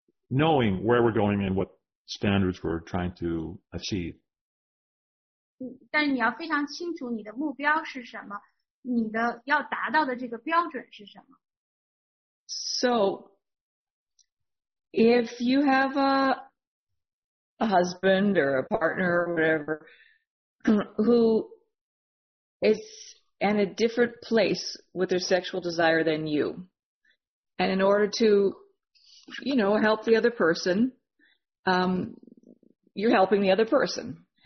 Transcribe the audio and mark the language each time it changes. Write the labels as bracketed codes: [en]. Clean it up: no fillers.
[en] Knowing where we're going and what standards we're trying to achieve. [zh] 但是你要非常清楚你的目标是什么，你的要达到的这个标准是什么。 [en] So, if you have a husband or a partner or whatever who is in a different place with their sexual desire than you, and in order to help the other person, you're helping the other person.